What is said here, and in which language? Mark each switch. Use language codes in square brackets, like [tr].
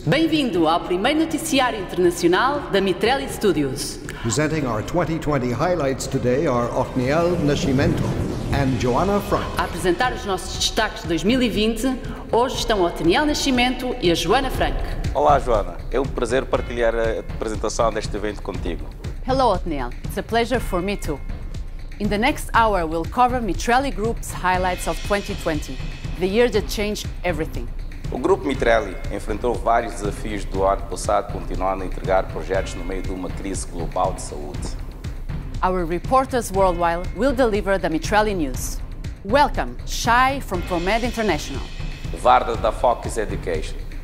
[pt] Bem-vindo ao primeiro noticiário internacional da Mitrelli Studios. [en] Presenting our 2020 highlights today are Otniel Nascimento and Joanna Frank. [pt] A apresentar os nossos destaques de 2020, hoje estão Otniel Nascimento e a Joanna Frank. Olá, Joanna. É um prazer partilhar a apresentação deste evento contigo. [en] Hello, Otniel. It's a pleasure for me too. In the next hour, we'll cover Mitrelli Group's highlights of 2020, the year that changed everything. [pt] O grupo Mitrelli enfrentou vários desafios do ano passado, continuando a entregar projetos no meio de uma crise global de saúde. [en] Our reporters worldwide will deliver the Mitrelli news. Welcome, Shai from ProMed International. [pt] Varda da Focus Education.